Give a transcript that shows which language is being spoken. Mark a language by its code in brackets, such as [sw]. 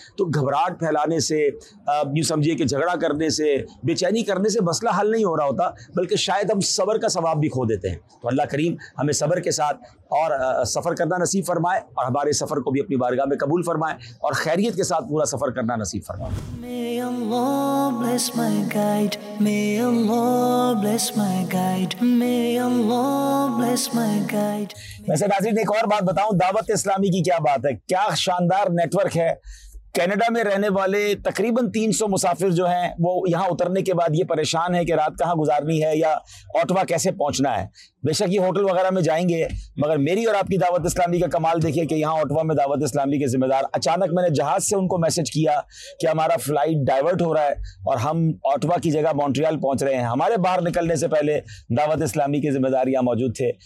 [ur] تو گھبراہٹ پھیلانے سے, یوں سمجھیے کہ جھگڑا کرنے سے, بے چینی کرنے سے مسئلہ حل نہیں ہو رہا ہوتا, بلکہ شاید ہم صبر کا ثواب بھی کھو دیتے ہیں. تو اللہ کریم ہمیں صبر کے ساتھ اور سفر کرنا نصیب فرمائے, اور ہمارے سفر کو بھی اپنی بارگاہ میں قبول فرمائے, اور خیریت کے ساتھ پورا سفر کرنا نصیب فرمائے. [en] May Allah bless my guide, may Allah bless my guide, may Allah bless my guide. [ur] ویسے ناظرین ایک اور بات بتاؤں, دعوت اسلامی کی کیا بات ہے, کیا شاندار نیٹورک ہے. کینیڈا میں رہنے والے تقریباً 300 مسافر جو ہیں وہ یہاں اترنے کے بعد یہ پریشان ہے کہ رات کہاں گزارنی ہے یا اوٹوا کیسے پہنچنا ہے. بے شک یہ ہوٹل وغیرہ میں جائیں گے, مگر میری اور آپ کی دعوت اسلامی کا کمال دیکھیے کہ یہاں اوٹوا میں دعوت اسلامی کے ذمہ دار, اچانک میں نے جہاز سے ان کو میسج کیا کہ ہمارا فلائٹ ڈائیورٹ ہو رہا ہے اور ہم اوٹوا کی جگہ مونٹریال پہنچ رہے ہیں, ہمارے باہر نکلنے سے پہلے دعوت اسلامی کے ذمہ دار یہاں موجود تھے.